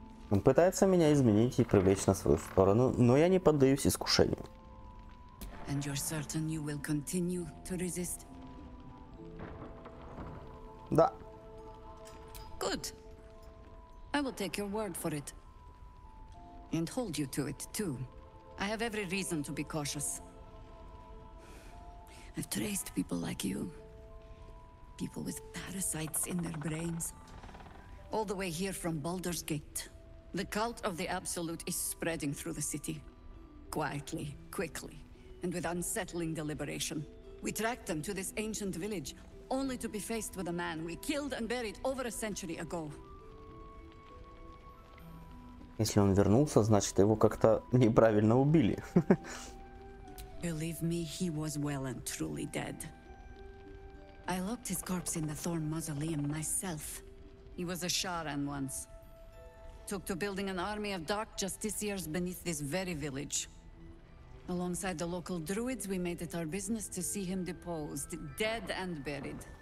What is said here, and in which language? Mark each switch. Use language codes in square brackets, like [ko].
[ru] Он пытается меня изменить и привлечь на свою сторону, но я не поддаюсь искушению. [en] And you're certain you will continue to resist? [ru] Да. [en] Good. I will take your word for it. And hold you to it, too. I have every reason to be cautious. I've traced people like you. People with parasites in their brains. All the way here from Baldur's Gate. The cult of the Absolute is spreading through the city. Quietly, quickly, and with unsettling deliberation. We tracked them to this ancient village, only to be faced with a man we killed and buried over a century ago. [ru] Если он вернулся, значит его как-то неправильно убили. [en] Believe me, he was well and truly dead. I locked his corpse in the Thorn Mausoleum myself. He was a Sharan once. Took to building an army of dark justiciars beneath this very village. Alongside the local druids, we made it our business to see him deposed, dead and buried.